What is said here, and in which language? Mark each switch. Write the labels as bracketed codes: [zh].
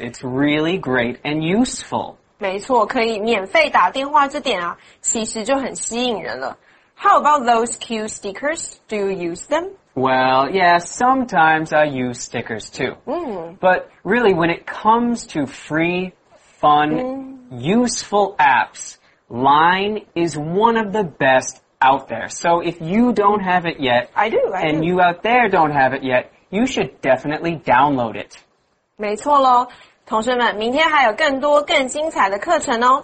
[en] It's really great and useful. [zh] 没错，可以免费打电话这点啊，其实就很吸引人了。 [en] How about those cute stickers? Do you use them? Well, yeah, sometimes I use stickers too. But really, when it comes to free, fun, useful apps... Line is one of the best out there. So if you don't have it yet, I do. You out there don't have it yet, you should definitely download it. [zh] 没错咯，同学们，明天还有更多更精彩的课程哦。